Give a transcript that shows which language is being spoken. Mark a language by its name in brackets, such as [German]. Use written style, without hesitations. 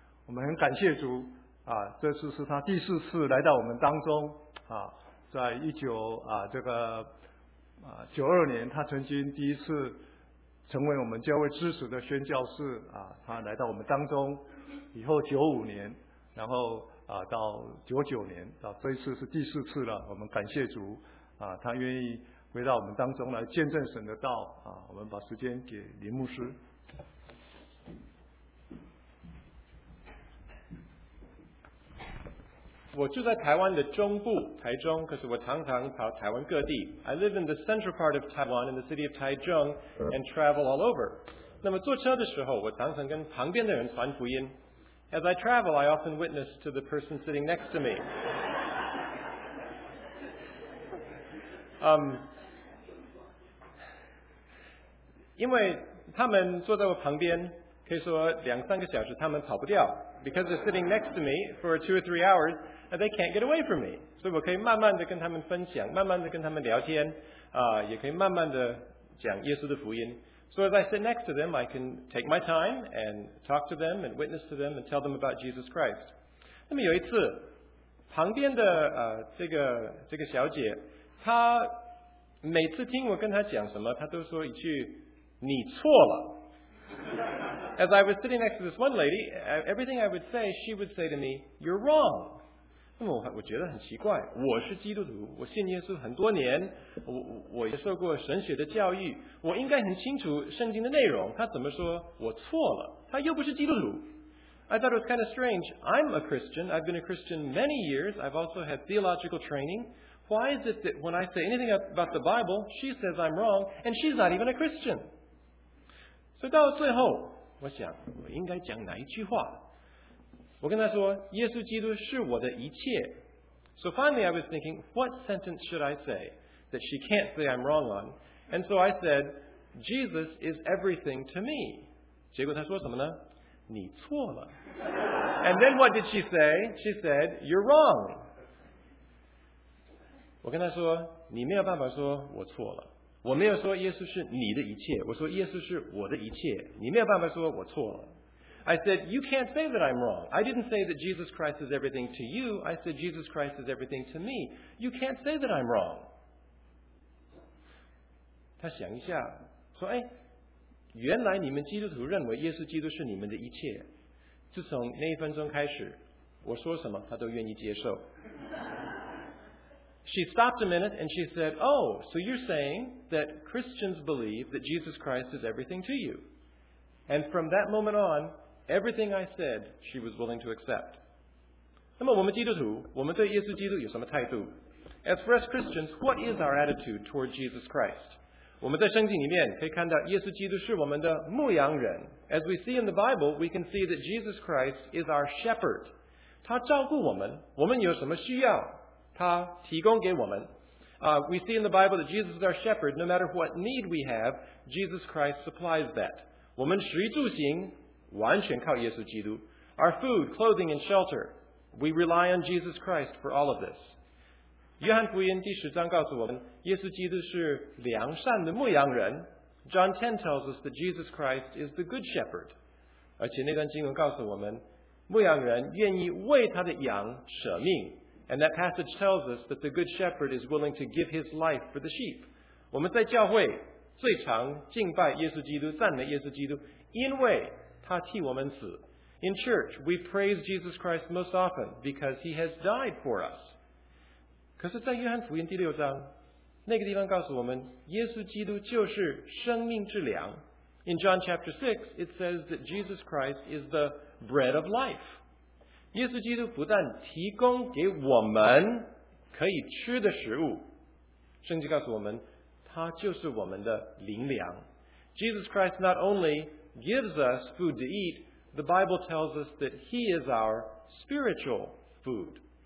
[Chinese] 我们很感谢主这次是他第四次来到我们当中在1992年他曾经第一次成为我们教会支持的宣教士他来到我们当中以后95年，然后到99年，到这一次是第四次了。我们感谢主他愿意回到我们当中来见证神的道我们把时间给林牧师。我住在台湾的中部台中，可是我常常跑台湾各地。 [English] I live in the central part of Taiwan in the city of Taichung and travel all over. [Chinese] 那么坐车的时候我常常跟旁边的人传福音。 [English] As I travel, I often witness to the person sitting next to me. [Chinese] 因为他们坐在我旁边可以说两三个小时他们跑不掉。 [English] Because they're sitting next to me for 2 or 3 hours,They can't get away from me. [Chinese] 所以我可以慢慢的跟他们分享，慢慢的跟他们聊天，也可以慢慢的讲耶稣的福音。 [English] So as I sit next to them, I can take my time and talk to them and witness to them and tell them about Jesus Christ. [Chinese] 那么有一次，旁边的这个小姐，她每次听我跟她讲什么，她都说一句：“你错了。” [English] As I was sitting next to this one lady, everything I would say, she would say to me, "You're wrong." [Chinese] 那么我觉得很奇怪，我是基督徒，我信耶稣很多年，我也受过神学的教育，我应该很清楚圣经的内容，他怎么说我错了，他又不是基督徒。 [English] I thought it was kind of strange. I'm a Christian. I've been a Christian many years. I've also had theological training. Why is it that when I say anything about the Bible, she says I'm wrong, and she's not even a Christian? [Chinese] 所以到最后，我想，我应该讲哪一句话？我跟他说耶稣基督是我的一切。 [English] So finally I was thinking, what sentence should I say that she can't say I'm wrong on? And so I said, Jesus is everything to me. [Chinese] 结果他说什么呢？你错了。 [English] And then what did she say? She said, you're wrong. [Chinese] 我跟他说你没有办法说我错了，我没有说耶稣是你的一切，我说耶稣是我的一切，你没有办法说我错了。 [English] I said, you can't say that I'm wrong. I didn't say that Jesus Christ is everything to you. I said, Jesus Christ is everything to me. You can't say that I'm wrong. [Chinese] 他想一下，说，哎，原来你们基督徒认为耶稣基督是你们的一切。自从那一分钟开始，我说什么，他都愿意接受。 [English] She stopped a minute and she said, oh, so you're saying that Christians believe that Jesus Christ is everything to you. And from that moment on,Everything I said, she was willing to accept. [Chinese] 那么我们基督徒，我们对耶稣基督有什么态度？ [English] As for us Christians, what is our attitude toward Jesus Christ? [Chinese] 我们在圣经里面可以看到耶稣基督是我们的牧羊人。 [English] As we see in the Bible, we can see that Jesus Christ is our shepherd. [Chinese] 他照顾我们，我们有什么需要，他提供给我们。 [English] We see in the Bible that Jesus is our shepherd. No matter what need we have, Jesus Christ supplies that. [Chinese] 我们食衣住行完全靠耶稣基督。 [English] Our food, clothing, and shelter, we rely on Jesus Christ for all of this. [Chinese] 约翰福音第十章告诉我们耶稣基督是良善的牧羊人。 [English] John 10 tells us that Jesus Christ is the good shepherd. [Chinese] 而且那段经文告诉我们，牧羊人愿意为他的羊舍命。 [English] And that passage tells us that the good shepherd is willing to give his life for the sheep. [Chinese] 我们在教会最常敬拜耶稣基督，赞美耶稣基督，因为他替我们死。 [English] In church, we praise Jesus Christ most often because he has died for us. [Chinese] 可是在约翰福音第六章，那个地方告诉我们，耶稣基督就是生命之粮。 [English] In John chapter 6, it says that Jesus Christ is the bread of life. [Chinese] 耶稣基督不但提供给我们可以吃的食物，圣经告诉我们，他就是我们的灵粮。 [English] Jesus Christ not only gives us food to eat, the Bible tells us that he is our spiritual food.